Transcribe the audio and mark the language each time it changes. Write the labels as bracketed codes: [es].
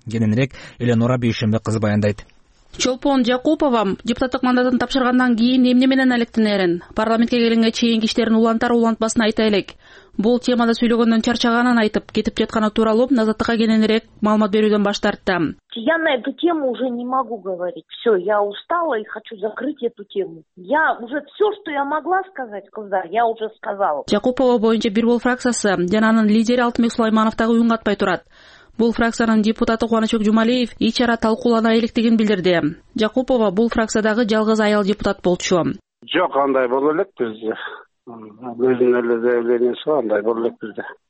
[ky] Кененирээк Эленора Бейшембек кызы баяндайт. Чолпон Жакупова депутаттык мандатын тапшыргандан кийин эмне менен алектенерин парламентке келгенге чейин киштерин улантар улантпасын айта элек. Бул темада сүйлөгөндөн чарчаганын айтып кетип жатканы тууралуу Назаттыкка кененирээк маалымат берүүдөн баш тартты. [ru] Я на эту тему уже не могу говорить. Все, я устала и хочу закрыть эту тему. Я уже все, что я могла сказать, кыздар, я уже сказала. [ky] Жакупова боюнча Бир Бол фракциясы жана анын лидери Алтынбек Сулайманов дагы үн катпай турат. Бул фракциянын депутаты Кубанычбек Жумалиев ич ара талкуулана электигин билдирди. Жакупова бул фракциядагы жалгыз аял депутат болчу. Жок, андай боло элек бизде. Өзүн эле дээлгениси андай боло элек бизде.